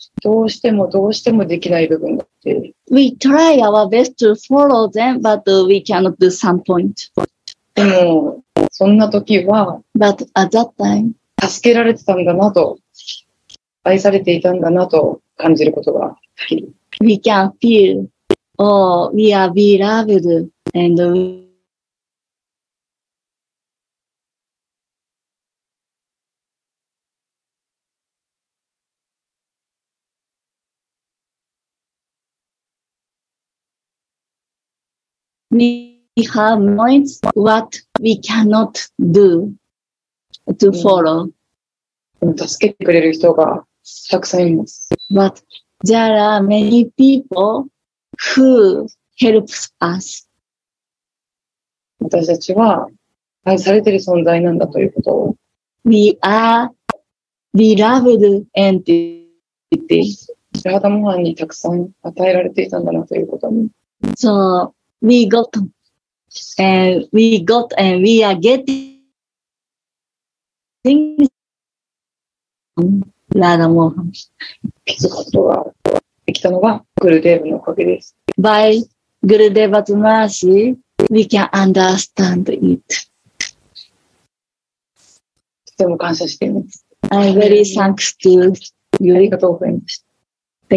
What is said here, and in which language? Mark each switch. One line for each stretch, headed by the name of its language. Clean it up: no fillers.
Japanese: どうしてもできない部分があって。
English: We try our best to follow them, but we cannot do some point.
Japanese: でも、そんな時は、
English: But at that time,
Japanese: 助けられてたんだなと、愛されていたんだなと感じることが。
English: We can feel. Oh, we are beloved and we have moments what we cannot do to follow.
Japanese: 助けてくれる人がたくさんいます。
English: But there are many people. Who helps us?
Japanese: 私たちは愛されている存在なんだということを。
English: We are beloved entity.
Japanese: ラダモハンにたくさん与えられていたんだなということに。
English: So, we got and we are getting ラダモハン。
Japanese: 気づくことができたのはグルデーブのおかげです。
English: By Gurudeva's mercy, we can understand it.
Japanese: とても感謝しています。
English: I'm very thanks to you.
Japanese: ありがとうございました。